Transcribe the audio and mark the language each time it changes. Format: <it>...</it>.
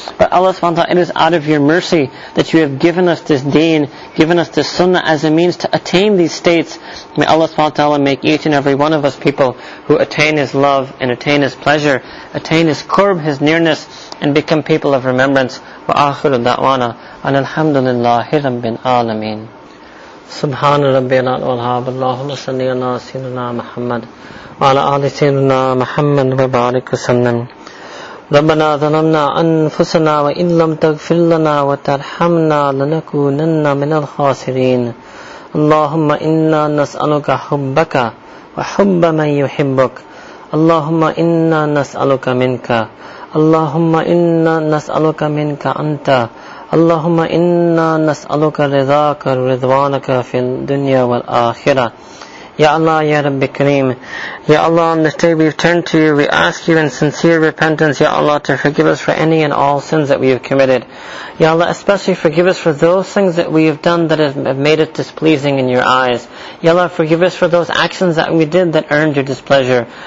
<en>But Allah subhanahu wa ta'ala, it is out of your mercy that you have given us this deen, given us this sunnah as a means to attain these states. May Allah subhanahu wa ta'ala make each and every one of us people who attain His love and attain His pleasure, attain His qurb, His nearness, and become people of remembrance.</en> <ar>Wa akhiru da'wana an alhamdulillahi rabbil alameen. سبحان ربي العظيم اللهم صل على سيدنا محمد وعلى آل سيدنا محمد وبارك وسلم ربنا ظلمنا أنفسنا وإن لم تغفر لنا وترحمنا لنكونن من الخاسرين اللهم إنا نسألك حبك وحب من يحبك اللهم إنا نسألك منك اللهم إنا نسألك منك أنت اللهم إنا نسألك رضاك ورضوانك في الدنيا والآخرة. Ya Allah, Ya Rabbi Kareem.</ar> <en>Ya Allah, on this day we've turned to you, we ask you in sincere repentance, Ya Allah, to forgive us for any and all sins that we have committed. Ya Allah, especially forgive us for those things that we have done that have made it displeasing in your eyes. Ya Allah, forgive us for those actions that we did that earned your displeasure.</en>